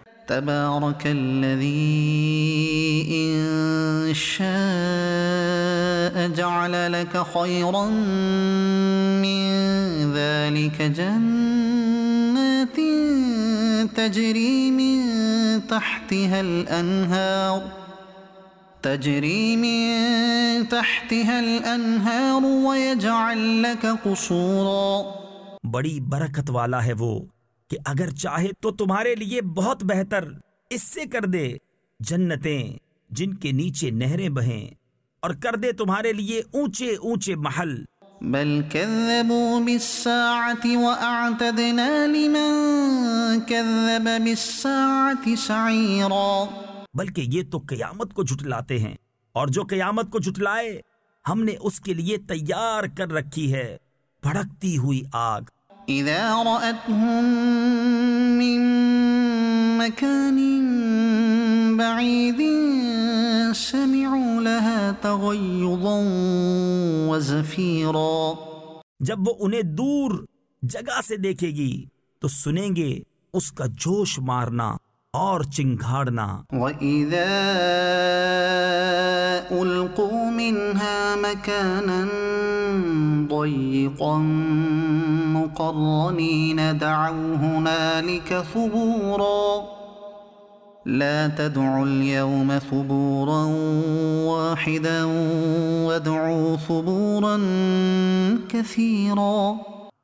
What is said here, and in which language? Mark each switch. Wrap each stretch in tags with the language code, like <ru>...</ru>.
<ar>تبارک الذی ان شاء جعل لک خیرا من ذلک جنات تجری من تحتها الانہار تجری من تحتها الانہار ویجعل لک قصورا</ar> <ur>بڑی برکت والا ہے وہ کہ اگر چاہے تو تمہارے لیے بہت بہتر اس سے کر دے جنتیں جن کے نیچے نہریں بہیں اور کر دے تمہارے لیے اونچے اونچے محل</ur> <ar>بل كذبوا بالساعة واعتدنا لمن كذب بالساعة سعيرا</ar> <ur>بلکہ یہ تو قیامت کو جھٹلاتے ہیں اور جو قیامت کو جھٹلائے ہم نے اس کے لیے تیار کر رکھی ہے بھڑکتی ہوئی آگ</ur> <ar>اذا رأتهم من مكان بعید سمعوا لها تغیضا وزفیرا</ar> <ur>جب وہ انہیں دور جگہ سے دیکھے گی تو سنیں گے اس کا جوش مارنا اور چنگھاڑنا</ur> <ar>وَإِذَا أُلْقُوا مِنْهَا مَكَانًا ضَيِّقًا مُقَرَّنِينَ دَعَوْا هُنَالِكَ ثُبُورًا لَا تَدْعُوا الْيَوْمَ ثُبُورًا وَاحِدًا وَادْعُوا ثُبُورًا كَثِيرًا</ar>